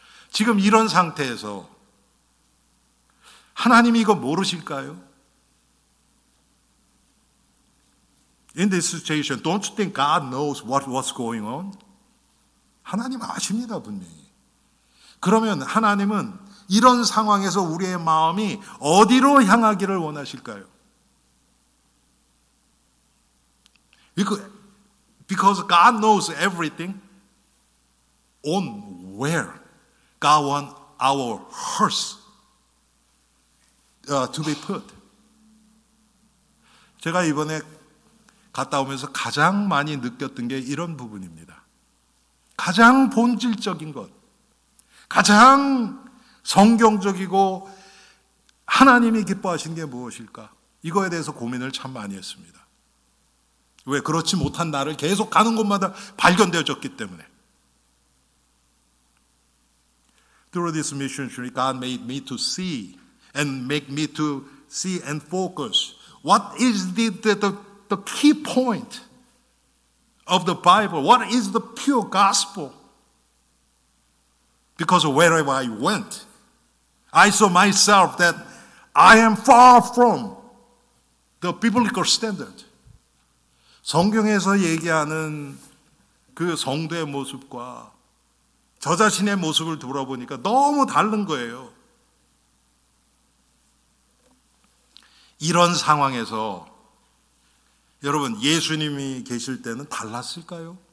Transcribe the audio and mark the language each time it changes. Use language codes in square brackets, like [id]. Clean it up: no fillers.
[ko] 지금 이런 상태에서 하나님이 이거 모르실까요? [en] In this situation, don't you think God knows what's going on? [ko] 하나님 아십니다, 분명히. 그러면 하나님은 이런 상황에서 우리의 마음이 어디로 향하기를 원하실까요? [en] Because God knows everything on where God wants our hearts to be put. [ko] 제가 이번에 갔다 오면서 가장 많이 느꼈던 게 이런 부분입니다. 가장 본질적인 것, 가장 성경적이고 하나님이 기뻐하시는 게 무엇일까? 이거에 대해서 고민을 참 많이 했습니다. 왜? 그렇지 못한 나를 계속 가는 곳마다 발견되어졌기 때문에. [en] Through this mission journey, God made me to see and make me to see and focus. What is the key point of the Bible? What is the pure gospel? Because wherever I went, I saw myself that I am far from the biblical standard. [ko] 성경에서 얘기하는 그 성도의 모습과 저 자신의 모습을 돌아보니까 너무 다른 거예요. 이런 상황에서 여러분 예수님이 계실 때는 달랐을까요?